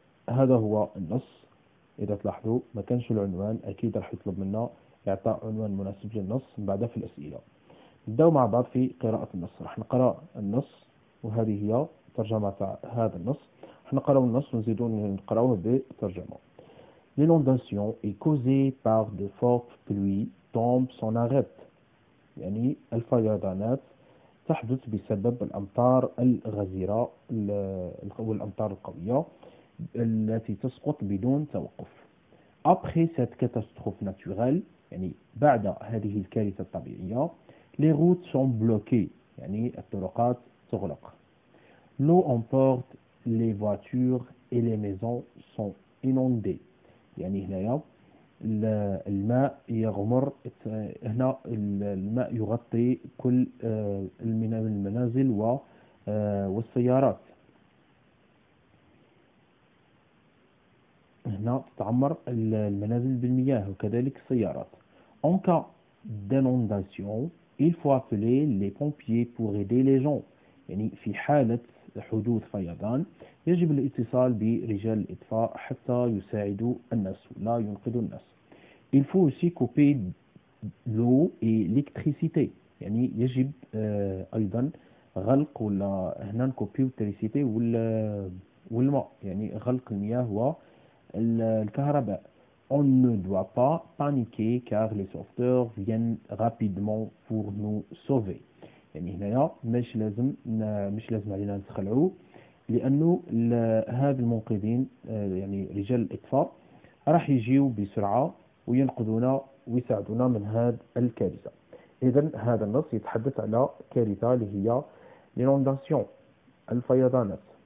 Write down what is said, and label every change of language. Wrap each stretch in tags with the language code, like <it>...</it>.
<ar>هذا هو النص. إذا تلاحظوا ما كانش العنوان، أكيد راح يطلب منا إعطاء عنوان مناسب للنص بعدها في الأسئلة. نبدأ مع بعض في قراءة النص. راح نقرأ النص وهذه هي ترجمة هذا النص. راح نقرأ النص ونزيد نقرأه بترجمة.</ar> <fr>L'inondation est causée par de fortes pluies tombe sans arrêt.</fr> <ar>يعني الفيضانات تحدث بسبب الأمطار الغزيرة والأمطار القوية التي تسقط بدون توقف.</ar> <fr>Après cette catastrophe naturelle,</fr> <ar>يعني بعد هذه الكارثة الطبيعية,</ar> <fr>les routes sont bloquées,</fr> <ar>يعني الطرقات تغلق.</ar> <fr>L'eau emporte les voitures et les maisons sont inondées.</fr> <ar>يعني هنا الماء يغمر، هنا الماء يغطي كل من المنازل والسيارات، هنا تتعمر المنازل بالمياه وكذلك السيارات.</ar> <fr>En cas d'inondation, il faut appeler les pompiers pour aider les gens.</fr> <ar>يعني في حالة حدوث فيضان يجب الاتصال برجال الإطفاء حتى يساعدوا الناس ولا ينقذوا الناس.</ar> <fr>Il faut aussi couper l'eau et l'électricité.</fr> <ar>يعني يجب أيضا غلق ولا هنا نكوبيو التريسيتي والماء، يعني غلق المياه والكهرباء.</ar> <fr>On ne doit pas paniquer car les sauveteurs viennent rapidement pour nous sauver.</fr> <ar>يعني هنايا مش لازم علينا نتخلعوا، لانه هاد المنقذين يعني رجال الاطفاء راح يجيو بسرعه وينقذونا ويساعدونا من هاد الكارثه. اذا هذا النص يتحدث على كارثه اللي هي لينونداسيون، الفيضانات.</ar>